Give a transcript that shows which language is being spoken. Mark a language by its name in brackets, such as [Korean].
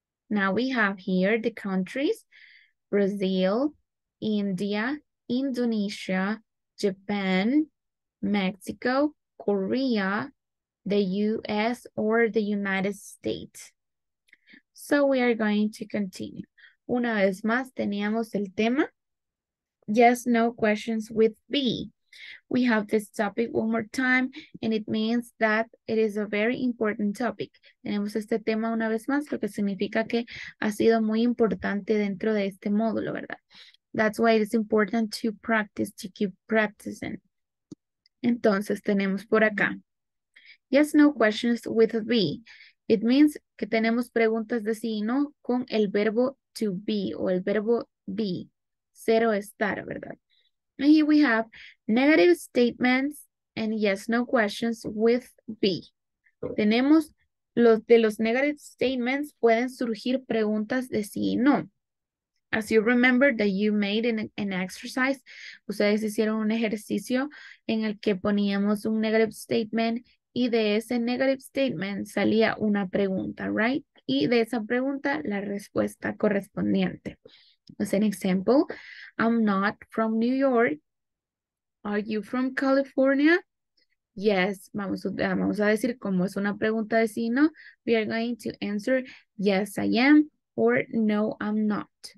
[English] Now we have here the countries, Brazil, India, Indonesia, Japan, Mexico, Korea, the US or the United States. So we are going to continue. [Spanish] Una vez más teníamos el tema. [English] Yes, no questions with B. We have this topic one more time, and it means that it is a very important topic. Tenemos este tema una vez más, lo que significa que ha sido muy importante dentro de este módulo, ¿verdad? That's why it is important to practice, to keep practicing. [Spanish] Entonces, tenemos por acá. [English] Yes, no questions with B. It means [Spanish] que tenemos preguntas de sí y no con el verbo to be o el verbo be, ser o estar, ¿verdad? [English] Here we have negative statements and yes, no questions with be. [Spanish] Tenemos los de los negative statements pueden surgir preguntas de sí y no. [English] As you remember that you made an exercise, [Spanish] ustedes hicieron un ejercicio en el que poníamos un negative statement y de ese negative statement salía una pregunta, right? Y de esa pregunta, la respuesta correspondiente. [English] As an example, I'm not from New York. Are you from California? [Spanish] Yes, vamos a decir como es una pregunta de sí, ¿no? [English] We are going to answer, yes, I am, or no, I'm not.